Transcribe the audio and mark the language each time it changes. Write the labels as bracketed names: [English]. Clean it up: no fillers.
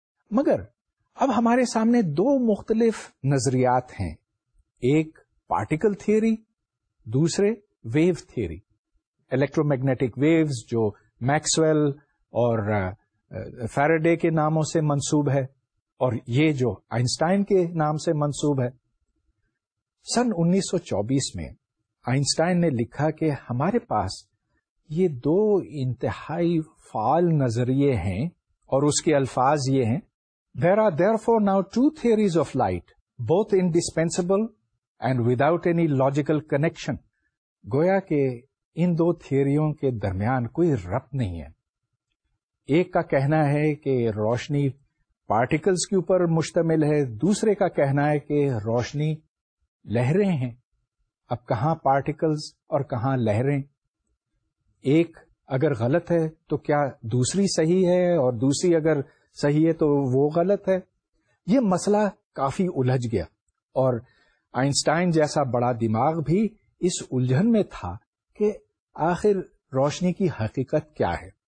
[Urdu] مگر اب ہمارے سامنے دو مختلف نظریات ہیں، ایک پارٹیکل تھیوری، دوسرے view theory, electro magnetic views جو میکسویل اور فیراڈے کے ناموں سے منسوب ہے اور یہ جو آئنسٹائن کے نام سے منسوب ہے. سن 1924 میں آئنسٹائن نے لکھا کہ ہمارے پاس یہ دو انتہائی فعال نظریے ہیں، اور اس کے الفاظ یہ ہیں، [English] There are therefore now two theories of light, both indispensable and without any logical connection. [Urdu] گویا کہ ان دو تھیوریوں کے درمیان کوئی ربط نہیں ہے. ایک کا کہنا ہے کہ روشنی پارٹیکلز کے اوپر مشتمل ہے, دوسرے کا کہنا ہے کہ روشنی لہریں ہیں. اب کہاں پارٹیکلز اور کہاں لہریں؟ ایک اگر غلط ہے تو کیا دوسری صحیح ہے, اور دوسری اگر صحیح ہے تو وہ غلط ہے؟ یہ مسئلہ کافی الجھ گیا, اور آئنسٹائن جیسا بڑا دماغ بھی اس الجھن میں تھا کہ آخر روشنی کی حقیقت کیا ہے.